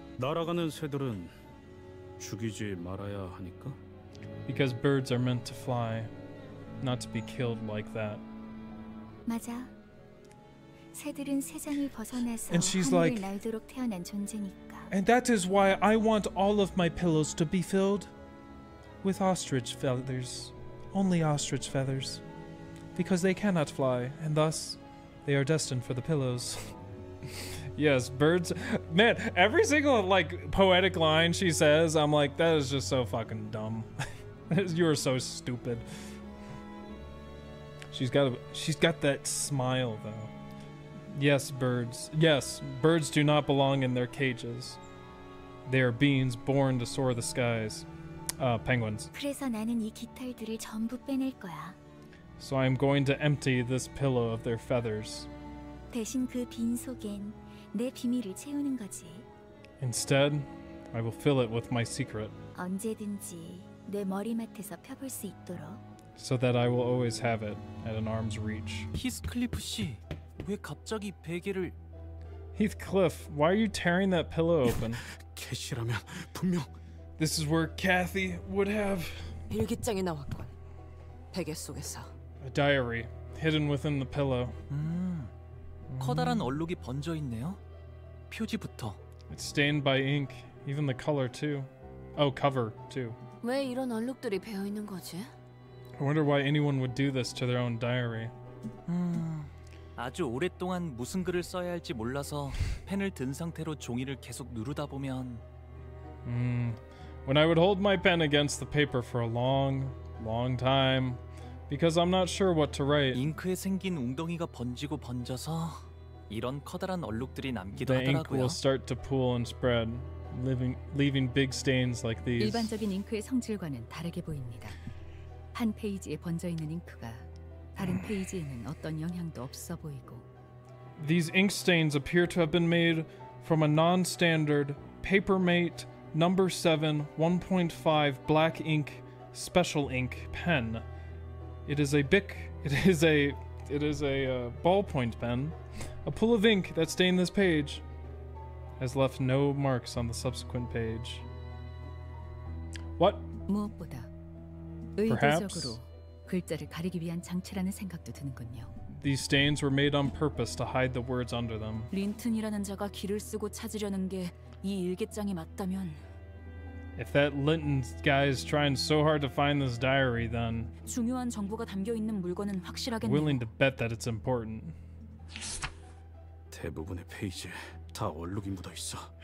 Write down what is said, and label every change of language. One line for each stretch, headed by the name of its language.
Korean: 날아가는 새들은 죽이지 말아야 하니까.
English: Because birds are meant to fly, not to be killed like that.
Korean: 맞아. 새들은 새장을 벗어나서 하늘을 like, 날도록 태어난 존재니까.
English: And that is why I want all of my pillows to be filled with ostrich feathers, only ostrich feathers, because they cannot fly, and thus. They are destined for the pillows. Yes, birds. Man, every single like poetic line she says, I'm like, that is just so fucking dumb. You are so stupid. She's got that smile though. Yes, birds. Yes, birds do not belong in their cages. They are beings born to soar the skies. Penguins.
Korean: 그래서 나는 이 깃털들을 전부 빼낼 거야.
English: So I'm going to empty this pillow of their feathers.
Korean: 대신 그 빈 속엔 내 비밀을 채우는 거지.
English: Instead, I will fill it with my secret.
Korean: 언제든지 내 머리맡에서 펴볼 수 있도록.
English: So that I will always have it at an arm's reach.
Korean: Heathcliff 씨, 왜 갑자기 베개를?
English: Heathcliff, why are you tearing that pillow open?
Korean: 캐시라면 분명.
English: This is where Kathy would have.
Korean: 일기장이 나왔군. 베개 속에서.
English: A diary hidden within the pillow.
Korean: 커다란 얼룩이 번져 있네요. 표지부터.
English: It's stained by ink, even the color too. Oh, cover too.
Korean: 왜 이런 얼룩들이 배어 있는 거지?
English: I wonder why anyone would do this to their own diary.
Korean: 아주 오랫동안 무슨 글을 써야 할지 몰라서 펜을 든 상태로 종이를 계속 누르다 보면.
English: When I would hold my pen against the paper for a long, long time. Because I'm not sure what to write.
Korean: 잉크에 생긴 웅덩이가 번지고 번져서 이런 커다란 얼룩들이 남기도 the 하더라고요.
English: The ink will start to pool and spread, leaving big stains like these.
Korean: 일반적인 잉크의 성질과는 다르게 보입니다. 한 페이지에 번져 있는 잉크가 다른 페이지에는 어떤 영향도 없어 보이고.
English: These ink stains appear to have been made from a non-standard Papermate number 7 1.5 black ink special ink pen. It is a ballpoint pen. A pool of ink that stained this page has left no marks on the subsequent page. What?
Korean: 무엇보다 의도적으로 글자를 가리기 위한 장치라는 생각도 드는군요.
English: These stains were made on purpose to hide the words under them.
Korean: 린튼이라는 자가 길을 쓰고 찾으려는 게 이 일기장이 맞다면.
English: If that Linton guy is trying so hard to find this diary, then
Korean: 중요한 정보가 담겨 있는 물건은 확실하겠네요.
English: Willing to bet that it's important.
Korean: 대부분의 페이지에 다 얼룩이 묻어 있어.